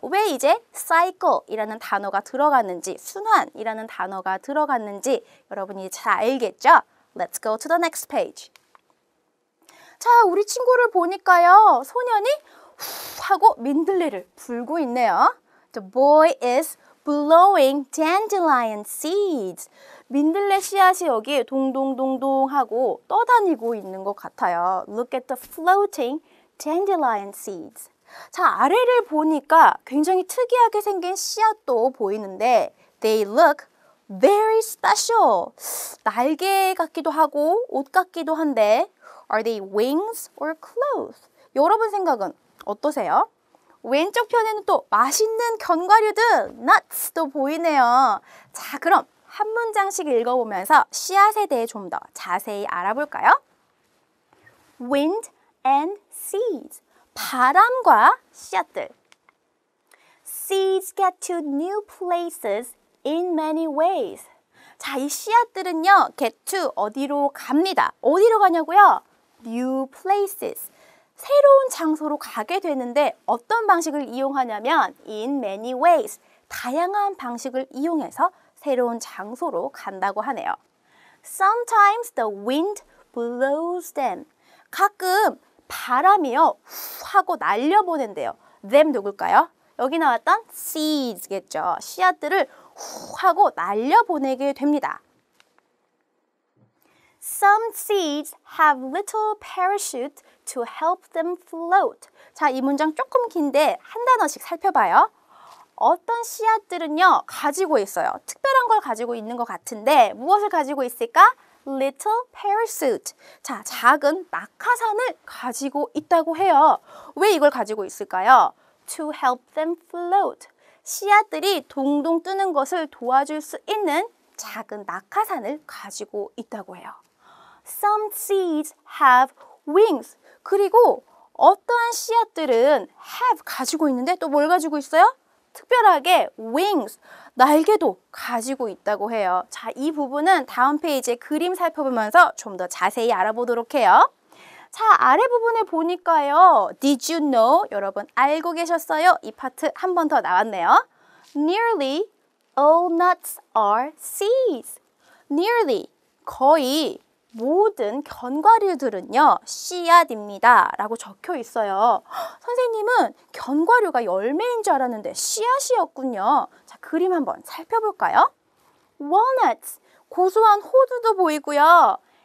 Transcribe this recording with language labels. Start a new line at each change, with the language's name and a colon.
Korean: 왜 이제 cycle이라는 단어가 들어갔는지, 순환이라는 단어가 들어갔는지 여러분이 잘 알겠죠?
English: Let's go to the next page.
Korean: 자, 우리 친구를 보니까요. 소년이 하고 민들레를 불고 있네요.
English: The boy is blowing dandelion seeds.
Korean: 민들레 씨앗이 여기 동동동동 하고 떠다니고 있는 것 같아요.
English: Look at the floating dandelion seeds.
Korean: 자, 아래를 보니까 굉장히 특이하게 생긴 씨앗도 보이는데
English: they look very special.
Korean: 날개 같기도 하고 옷 같기도 한데
English: are they wings or clothes?
Korean: 여러분 생각은 어떠세요? 왼쪽 편에는 또 맛있는 견과류들, nuts도 보이네요. 자, 그럼 한 문장씩 읽어보면서 씨앗에 대해 좀 더 자세히 알아볼까요?
English: Wind and seeds,
Korean: 바람과 씨앗들.
English: seeds get to new places in many ways.
Korean: 자, 이 씨앗들은요,
English: get to
Korean: 어디로 갑니다. 어디로 가냐고요?
English: New places.
Korean: 새로운 장소로 가게 되는데 어떤 방식을 이용하냐면
English: in many ways.
Korean: 다양한 방식을 이용해서 새로운 장소로 간다고 하네요.
English: Sometimes the wind blows them.
Korean: 가끔 바람이요, 후 하고 날려보낸대요. them 누굴까요? 여기 나왔던 seeds겠죠. 씨앗들을 후 하고 날려보내게 됩니다.
English: Some seeds have little parachute to help them float.
Korean: 자, 이 문장 조금 긴데 한 단어씩 살펴봐요. 어떤 씨앗들은요, 가지고 있어요. 특별한 걸 가지고 있는 것 같은데 무엇을 가지고 있을까?
English: Little parachute.
Korean: 자, 작은 낙하산을 가지고 있다고 해요. 왜 이걸 가지고 있을까요?
English: To help them float.
Korean: 씨앗들이 동동 뜨는 것을 도와줄 수 있는 작은 낙하산을 가지고 있다고 해요.
English: Some seeds have wings.
Korean: 그리고 어떠한 씨앗들은 have 가지고 있는데 또 뭘 가지고 있어요? 특별하게 wings, 날개도 가지고 있다고 해요. 자, 이 부분은 다음 페이지에 그림 살펴보면서 좀 더 자세히 알아보도록 해요. 자, 아래 부분에 보니까요.
English: Did you know?
Korean: 여러분 알고 계셨어요? 이 파트 한 번 더 나왔네요.
English: Nearly all nuts are seeds.
Korean: Nearly, 거의 모든 견과류들은요, 씨앗입니다. 라고 적혀 있어요. 선생님은 견과류가 열매인 줄 알았는데 씨앗이었군요. 자, 그림 한번 살펴볼까요? Walnuts, 고소한 호두도 보이고요.